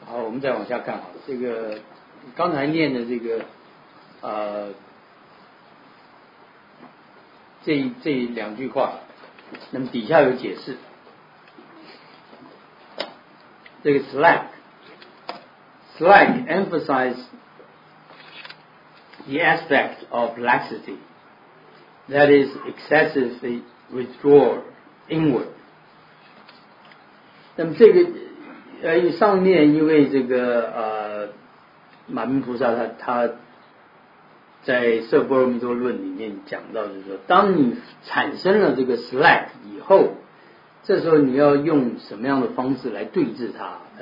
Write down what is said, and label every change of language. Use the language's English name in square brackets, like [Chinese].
[Chinese] 们再往下看好了。这个刚才念的这个这两句话，那么底下有解释。这个 [English] slack emphasizes the aspect of laxity, that is excessively withdrawn inward. [Chinese] 那么这个上面因为这个马明菩萨他在《摄波罗蜜多论》里面讲到，就是说，当你产生了这个 slack 以后，这时候你要用什么样的方式来对治它？